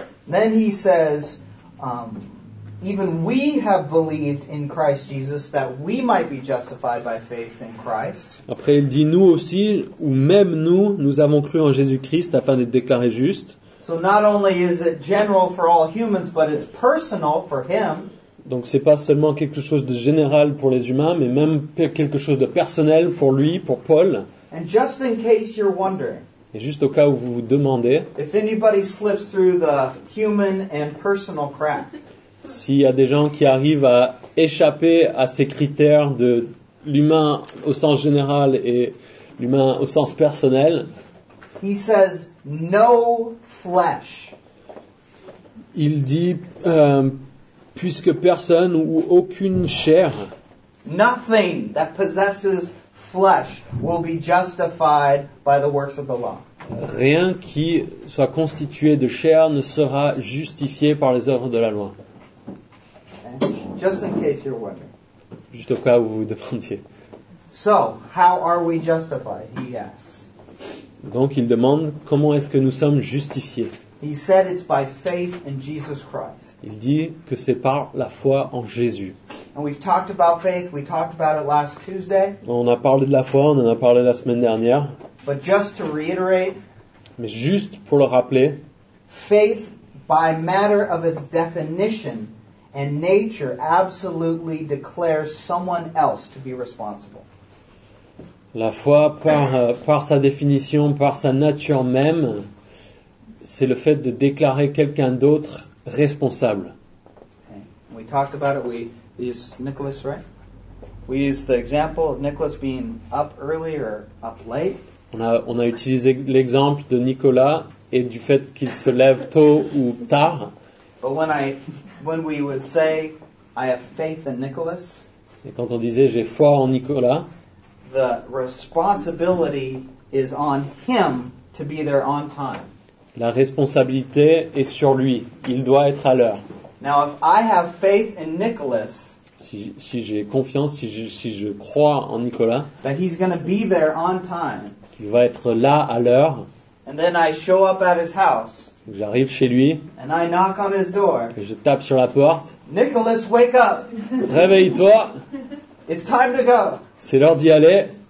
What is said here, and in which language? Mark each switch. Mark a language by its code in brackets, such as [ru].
[en] Then he says, even we have believed in Christ Jesus that we might be justified by faith in Christ. [fr] Après, il dit nous aussi, ou même nous, nous avons cru en Jésus-Christ afin d'être déclarés justes. [en] So not only is it general for all humans, but it's personal for him. [fr] Donc c'est pas seulement quelque chose de général pour les humains, mais même quelque chose de personnel pour lui, pour Paul. [en] And just in case you're wondering, [fr] et juste au cas où vous vous demandez, [en] if anybody slips through the human and personal crack, [fr] s'il y a des gens qui arrivent à échapper à ces critères de l'humain au sens général et l'humain au sens personnel, [en] he says, no flesh. [fr] Il dit, puisque personne ou aucune chair, [en] nothing that possesses flesh will be justified by the works of the law. [fr] Rien qui soit constitué de chair ne sera justifié par les œuvres de la loi. [en] Just in case you're wondering. [fr] Juste au cas où vous vous demandiez. [en] So, how are we justified? He asks. [fr] Donc il demande comment est-ce que nous sommes justifiés. [en] He said it's by faith in Jesus Christ. [fr] Il dit que c'est par la foi en Jésus. [en] And we've talked about faith. We talked about it last Tuesday. [fr] On a parlé de la foi. On en a parlé la semaine dernière. [en] But just to reiterate. [fr] Mais juste pour le rappeler. [en] Faith by matter of its definition. And nature absolutely declares someone else to be responsible. [fr] La foi, par sa définition, par sa nature même, c'est le fait de déclarer quelqu'un d'autre responsable. [en] Okay. We talked about it. We used Nicholas, right? We used the example of Nicholas being up early or up late. [fr] On a utilisé l'exemple de Nicolas et du fait qu'il se lève tôt ou tard. [en] But when we would say, I have faith in Nicholas, [fr] et quand on disait j'ai foi en Nicolas, [en] the responsibility is on him to be there on time. [fr] La responsabilité est sur lui. Il doit être à l'heure. [en] Now, if I have faith in Nicholas, [fr] si j'ai confiance, si je crois en Nicolas, [en] that he's going to be there on time, [fr] qu'il va être là à l'heure, [en] and then I show up at his house, [fr] j'arrive chez lui. [en] And I knock on his door. [fr] Et je tape sur la porte. [en] Nicholas, wake up. [fr] Réveille-toi. [en] It's time to go. [fr] C'est l'heure d'y aller.